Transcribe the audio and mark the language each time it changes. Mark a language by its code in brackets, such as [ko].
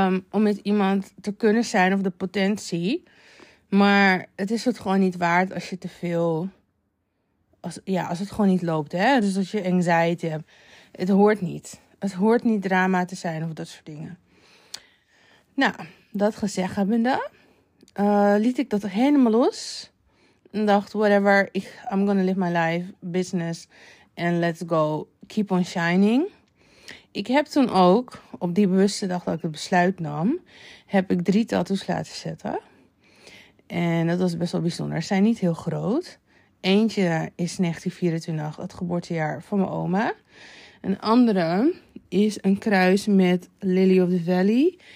[nl] Om met iemand te kunnen zijn of de potentie. Maar het is het gewoon niet waard als je te veel. Als het gewoon niet loopt, hè. Dus als je anxiety hebt. Het hoort niet. Het hoort niet drama te zijn of dat soort dingen. Nou, dat gezegd hebbende, liet ik dat helemaal los. En dacht, [en] whatever, I'm gonna live my life, business, and let's go, keep on shining. [nl] Ik heb toen ook, op die bewuste dag dat ik het besluit nam, heb ik 3 tattoos laten zetten. En dat was best wel bijzonder. Ze zijn niet heel groot. Eentje is 1924, het geboortejaar van mijn oma. Een andere is een kruis met Lily of the Valley.